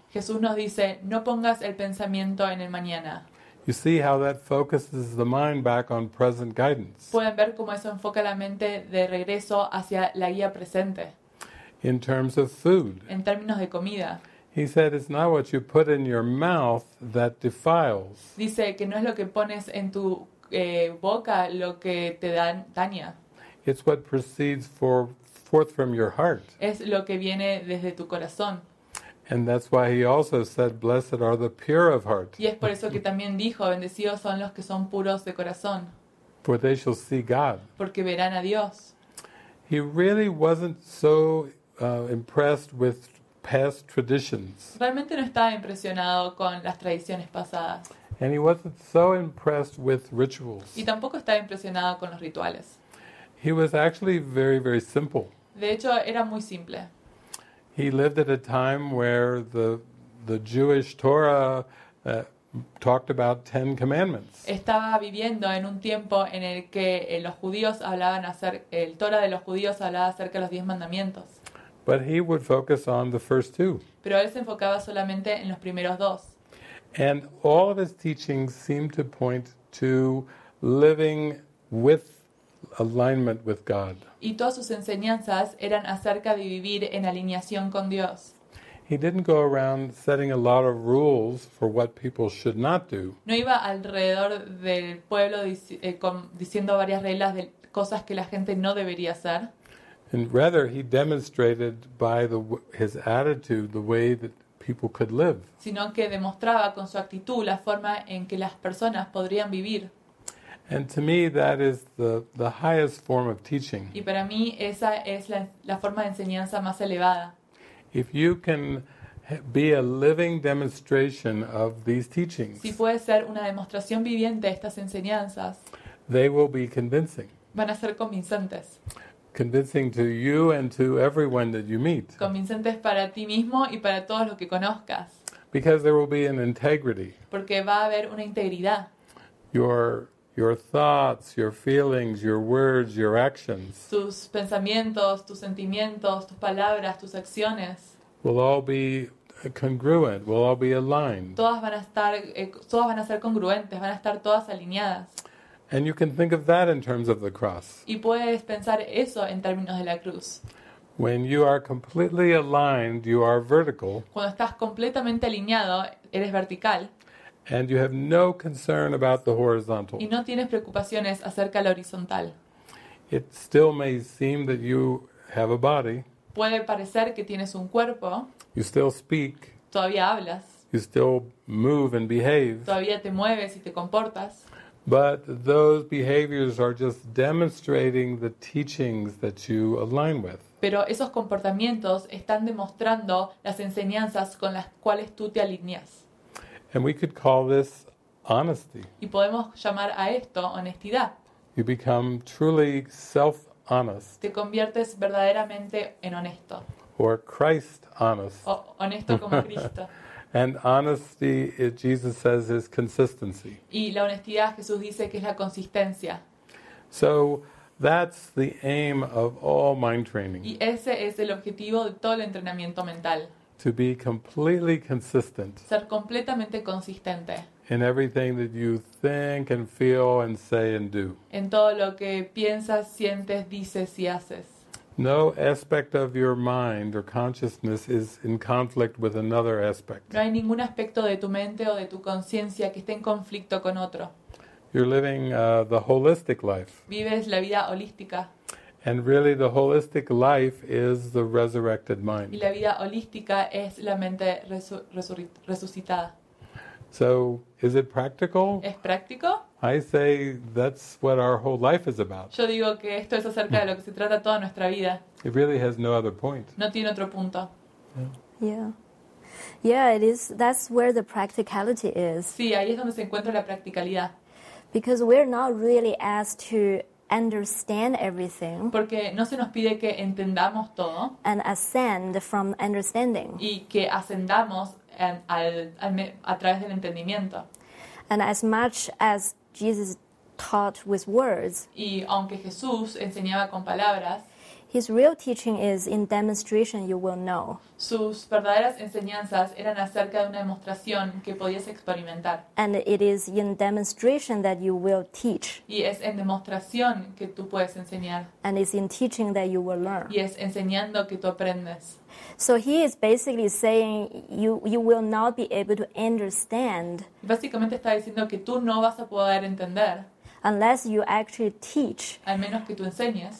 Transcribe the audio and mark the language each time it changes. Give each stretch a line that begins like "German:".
Spanish: Jesús nos dice, "No pongas el pensamiento en el mañana."
English: You see how that focuses the mind back on present guidance.
Spanish: Pueden ver cómo eso enfoca la mente de regreso hacia la guía presente.
English: In terms of food.
Spanish: En términos de comida.
English: He said it's not what you put in your mouth that defiles.
Spanish: Dice que no es lo que pones en tu boca lo que te daña.
English: It's what proceeds forth from your heart.
Spanish: Es lo que viene desde tu corazón.
English: And that's why he also said, "Blessed are the pure of heart."
Spanish: Y es por eso que también dijo, bendecidos son los que son puros de corazón.
English: For they shall see God.
Spanish: Porque verán a Dios.
English: He really wasn't so impressed with past traditions.
Spanish: Realmente no estaba impresionado con las tradiciones pasadas.
English: And he wasn't so impressed with rituals.
Spanish: Y tampoco estaba impresionado con los rituales.
English: He was actually very, very simple.
Spanish: De hecho, era muy simple.
English: He lived at a time where the Jewish Torah talked about 10 commandments.
Spanish: Estaba viviendo en un tiempo en el que los judíos hablaban acerca el Torah de los judíos hablaba acerca de los 10 mandamientos.
English: But he would focus on the first two.
Spanish: Pero él se enfocaba solamente en los primeros dos.
English: And all of his teachings seemed to point to living with alignment with God.
Spanish: Y todas sus enseñanzas eran acerca de vivir en alineación con Dios.
English: He didn't go around setting a lot of rules for what people should not do.
Spanish: No iba alrededor del pueblo diciendo varias reglas de cosas que la gente no debería hacer.
English: And rather, he demonstrated by his attitude the way that people could live.
Spanish: Sino que demostraba con su actitud la forma en que las personas podrían vivir.
English: And to me, that is the highest form of teaching.
Spanish: Y para mí esa es la forma de enseñanza más elevada.
English: If you can be a living demonstration of these teachings,
Spanish: si puedes ser una demostración viviente de estas enseñanzas,
English: they will be convincing.
Spanish: Van a ser convincentes.
English: Convincing to you and to everyone that you meet.
Spanish: Convincentes para ti mismo y para todos los que conozcas.
English: Because there will be an integrity.
Spanish: Porque va a haber una integridad.
English: Your thoughts, your feelings, your words, your actions.
Spanish: Tus pensamientos, tus sentimientos, tus palabras, tus acciones.
English: Will all be congruent, will all be aligned.
Spanish: Todas van a ser congruentes, van a estar todas alineadas.
English: And you can think of that in terms of the cross.
Spanish: Y puedes pensar eso en términos de la cruz.
English: When you are completely aligned, you are vertical.
Spanish: Cuando estás completamente alineado, eres vertical.
English: And you have no concern about the horizontal.
Spanish: Y no tienes preocupaciones acerca de la horizontal.
English: It still may seem that you have a body.
Spanish: Puede parecer que tienes un cuerpo.
English: You still speak.
Spanish: Todavía hablas.
English: You still move and behave.
Spanish: Todavía te mueves y te comportas.
English: But those behaviors are just demonstrating the teachings that you align with.
Spanish: Pero esos comportamientos están demostrando las enseñanzas con las cuales tú te alineas.
English: And we could call this honesty.
Spanish: Y podemos llamar a esto honestidad.
English: You become truly self-honest.
Spanish: Te conviertes verdaderamente en honesto.
English: Or Christ honest.
Spanish: O honesto como Cristo.
English: And honesty, Jesus says, is consistency.
Spanish: Y la honestidad, Jesús dice que es la consistencia.
English: So that's the aim of all mind training.
Spanish: Y ese es el objetivo de todo el entrenamiento mental.
English: To be completely consistent.
Spanish: Ser completamente consistente.
English: In everything that you think and feel and say and do.
Spanish: En todo lo que piensas, sientes, dices y haces.
English: No aspect of your mind or consciousness is in conflict with another aspect.
Spanish: No hay ningún aspecto de tu mente o de tu conciencia que esté en conflicto con otro.
English: You're living the holistic life.
Spanish: Vives la vida holística.
English: And really the holistic life is the resurrected mind.
Spanish: Y la vida holística es la mente resucitada.
English: So, is it practical?
Spanish: ¿Es práctico?
English: I say that's what our whole life is about.
Spanish: Yo digo que esto es acerca de lo que se trata toda nuestra vida.
English: It really has no other point.
Spanish: No tiene otro punto.
English: Yeah. Yeah, it is. That's where the practicality is.
Spanish: Sí, ahí es donde se encuentra la practicalidad.
English: Because we're not really asked to understand everything.
Spanish: Porque no se nos pide que entendamos todo.
English: And ascend from understanding.
Spanish: Y que ascendamos a través del entendimiento.
English: And as much as Jesus taught with words,
Spanish: y aunque Jesús enseñaba con palabras,
English: his real teaching is in demonstration you will know.
Spanish: Sus verdaderas enseñanzas eran acerca de una demostración que podías experimentar.
English: And it is in demonstration that you will teach.
Spanish: Y es en demostración que tú puedes enseñar.
English: And it's in teaching that you will learn.
Spanish: Y es enseñando que tú aprendes.
English: So he is basically saying you will not be able to understand.
Spanish: Básicamente está diciendo que tú no vas a poder entender.
English: Unless you actually teach,
Spanish: al menos que tú enseñes,